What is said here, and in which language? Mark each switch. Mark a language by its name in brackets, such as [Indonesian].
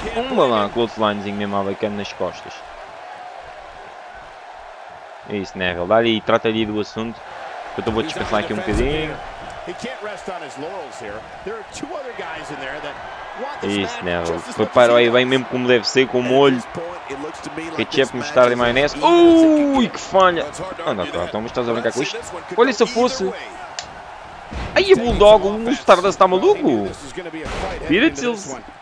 [Portuguese] Uma lá, clotheslinezinho mesmo, bacana nas costas. É isso, Neville. Dá-lhe e trata ali do assunto. Eu estou a descansar aqui um bocadinho. [English] He can't rest on his laurels here. There are two other guys in there that want this isso, man. [Portuguese] Isso, né? Preparou aí bem mesmo como deve ser, com o molho. Ketchup, mostarda e maionese. Ui, que falha! Anda, pronto, mas estás a brincar com isto? Olha se eu fosse! Aí a Bulldog, o mostarda está maluco! Pirates, eles...